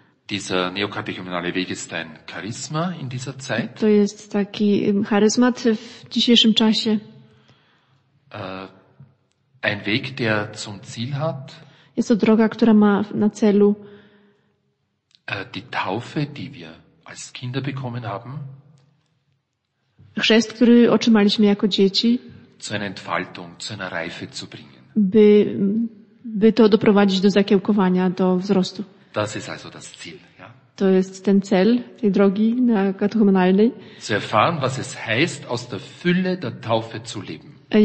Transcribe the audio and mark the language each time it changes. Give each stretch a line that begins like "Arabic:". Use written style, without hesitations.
German: Dieser neokatechumenale Weg ist ein Charisma in dieser Zeit.
Polish: To jest taki charyzmat w dzisiejszym czasie.
German: Ein Weg, der zum Ziel hat.
Polish: Jest to droga, która ma na celu.
German: Die Taufe, die wir als Kinder bekommen haben.
Polish: Chrzest, który otrzymaliśmy jako dzieci.
German: Zu einer Entfaltung, zu einer Reife zu bringen.
Polish: By to doprowadzić do zakiełkowania, do wzrostu.
German: Das ist also das Ziel, ja?
Polish: To jest ten cel tej drogi katechumenalnej.
German: Zu erfahren, was es heißt, aus der Fülle der Taufe zu leben.